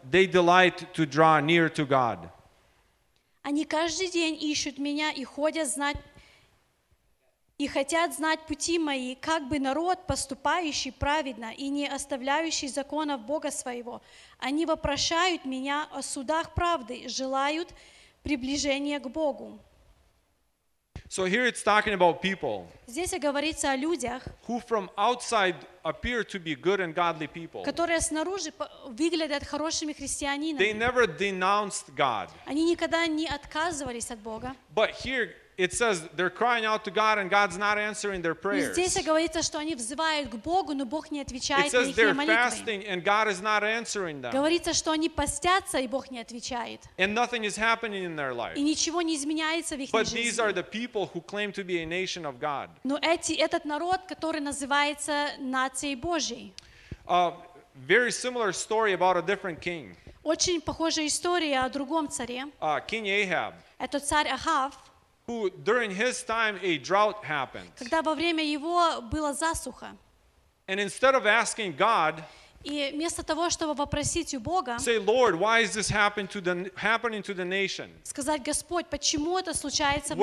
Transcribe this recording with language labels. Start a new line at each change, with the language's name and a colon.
English: They delight to draw near to God.
Russian: Они каждый день ищут меня и ходят знать. и хотят знать пути мои, как бы народ, поступающий праведно и не оставляющий законов Бога своего. Они вопрошают меня о судах правды, желают приближения к Богу.
English: So here it's talking about people.
Russian: Здесь говорится о людях.
English: Who from outside appear to be good and godly people.
Russian: Которые снаружи выглядят хорошими христианинами.
English: They never denounced God.
Russian: Они никогда не отказывались от Бога.
English: But here it says they're crying out to God and God's not answering their prayers.
Russian: Здесь говорится, что они взывают к Богу, но Бог не отвечает на их молитвы.
English: It says they're fasting and God is not answering them.
Russian: Говорится, что они постятся, и Бог не отвечает.
English: And nothing is happening in their life.
Russian: И ничего не изменяется в их жизни.
English: But these are the people who claim to be a nation of God.
Russian: Но этот народ, который называется нацией Божьей.
English: A very similar story about a different king.
Russian: Очень похожая история о другом царе.
English: King Ahab.
Russian: Это царь Ахав.
English: Who during his time a drought happened.
Russian: Когда во время его была засуха.
English: And instead of asking God,
Russian: и вместо того, чтобы вопросить у Бога,
English: say, Lord, why is this happening to the nation?
Russian: Сказать, Господь, почему это случается